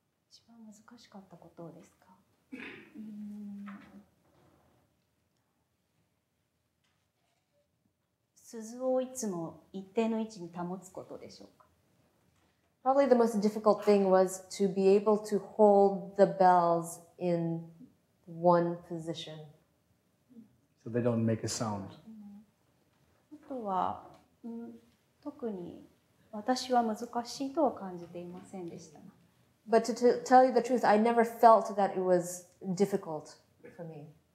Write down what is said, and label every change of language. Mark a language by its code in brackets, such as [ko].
[ja] 一番難しかったことですか？鈴をいつも一定の位置に保つことでしょうか？ [en] Probably the most difficult thing was to be able to hold the bells in one position. So they don't make a sound. [ja] あとは、特に私は難しいとは感じていませんでした。 [en] But to tell you the truth, I never felt that it was difficult for me.